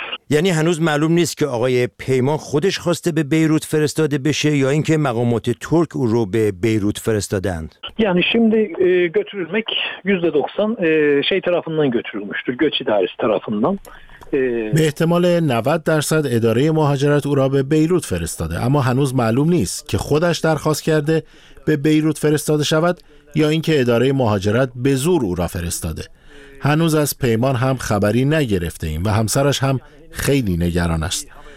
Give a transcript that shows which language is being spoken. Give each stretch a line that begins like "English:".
Persian: یعنی هنوز معلوم نیست که آقای پیمان خودش خواسته به بیروت فرستاده بشه یا اینکه مقامات ترک او رو به بیروت فرستادند.
Turkish: یعنی şimdi götürülmek %90 şey tarafından götürülmüştür. Göç idaresi tarafından.
Persian: به احتمال 90% اداره مهاجرت او را به بیروت فرستاده، اما هنوز معلوم نیست که خودش درخواست کرده به بیروت فرستاده شود یا اینکه اداره مهاجرت به زور او را فرستاده. هنوز از پیمان هم خبری نگرفته ایم و همسرش هم خیلی نگران است.